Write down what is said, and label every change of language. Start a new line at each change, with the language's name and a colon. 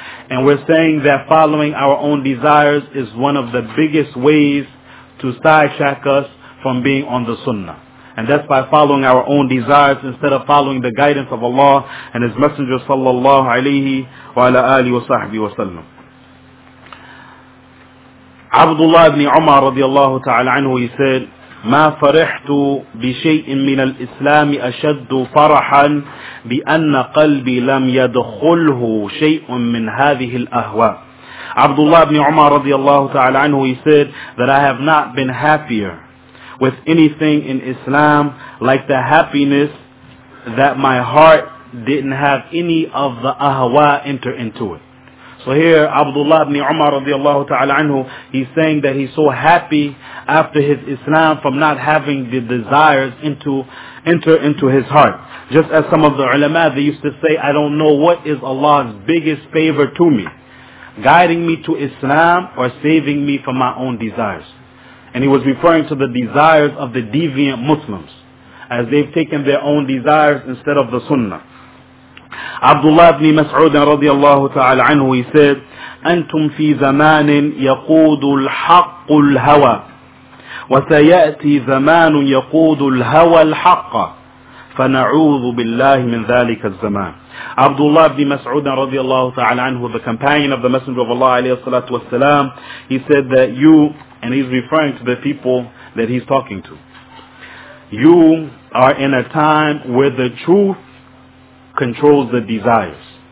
English: And we're saying that following our own desires is one of the biggest ways to sidetrack us from being on the Sunnah. And that's by following our own desires instead of following the guidance of Allah and His Messenger, sallallahu alayhi wa ala alihi wa sahbihi wa sallam.
Arabic: عبد الله بن عمر رضي الله تعالى عنه يسأل ما فرحت بشيء من الإسلام أشد فرحا بأن قلبي لم يدخله شيء من هذه الأهواء. عبد الله بن عمر رضي الله تعالى عنه يسأل
English: that I have not been happier with anything in Islam like the happiness that my heart didn't have any of the أهواء enter into it. So here, Abdullah ibn Umar radiallahu ta'ala anhu, he's saying that he's so happy after his Islam from not having the desires enter into his heart. Just as some of the ulama, they used to say, I don't know what is Allah's biggest favor to me, guiding me to Islam or saving me from my own desires. And he was referring to the desires of the deviant Muslims, as they've taken their own desires instead of the Sunnah. Abdullah ibn Mas'ud radiyallahu ta'ala anhu, he said,
Arabic: أنتم في زمان يقود الحق الهوى وسيأتي زمان يقود الهوى الحق فنعوذ بالله من ذلك الزمان.
English: Abdullah ibn Mas'ud radiyallahu ta'ala anhu, the companion of the Messenger of Allah alayhi salatu wasalam, he said that you, and he's referring to the people that he's talking to, you are in a time where the truth controls the desires.